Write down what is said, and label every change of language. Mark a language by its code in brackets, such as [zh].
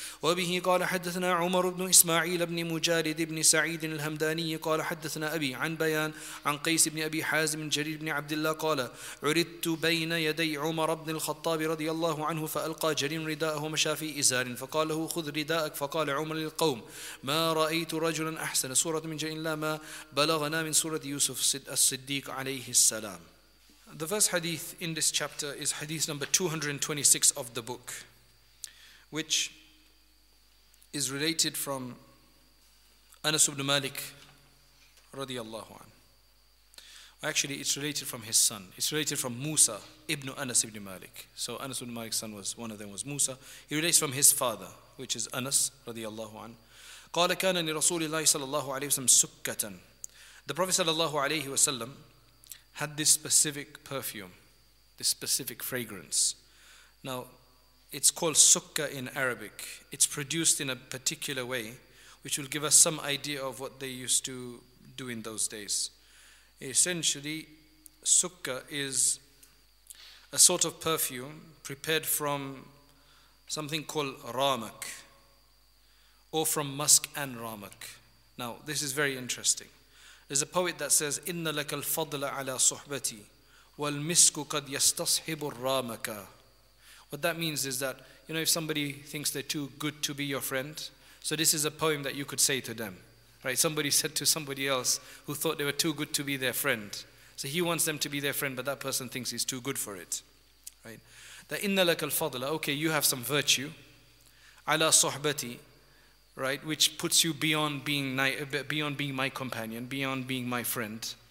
[ar] وبه قال حدثنا عمر بن إسماعيل بن مجالد بن سعيد الهمداني قال حدثنا أبي عن بيان عن قيس بن أبي حازم جرير بن عبد الله قال: عرضت بين يدي عمر بن الخطاب رضي الله عنه فألقى جرير رداءه ومشى في إزار، فقال له: خذ رداءك. فقال عمر للقوم: ما رأيت رجلا أحسن سورة من جرير ما بلغنا من سورة يوسف الصديق عليه السلام. [en] The first hadith in this chapter is hadith number 226 of the book, which is related from Anas ibn Malik radiallahu anhu. Actually, it's related from his son. It's related from Musa ibn Anas ibn Malik. So Anas ibn Malik's son was, one of them was Musa. He relates from his father, which is Anas radiallahu anhu. [ar] قال كان لرسول الله صلى الله عليه وسلم سكة. [en] The Prophet [ar] صلى الله عليه وسلم [en] had this specific perfume, this specific fragrance. Now, it's called sukka in Arabic. It's produced in a particular way, which will give us some idea of what they used to do in those days. Essentially, sukka is a sort of perfume prepared from something called ramak, or from musk and ramak. Now, this is very interesting. There's a poet that says, [ar] إِنَّ لَكَ الْفَضْلَ عَلَىٰ صُحْبَتِي وَالْمِسْكُ قَدْ يَسْتَصْحِبُ الرَّامَكَ. [en] What that means is that, you know, if somebody thinks they're too good to be your friend, so this is a poem that you could say to them, right? Somebody said to somebody else who thought they were too good to be their friend, so he wants them to be their friend, but that person thinks he's too good for it, right? That [ar] إِنَّ لَكَ الْفَضْلَ, [en] okay, you have some virtue, [ar] عَلَىٰ صُحْبَتِي, [en] right, which puts you beyond being my companion, beyond being my friend.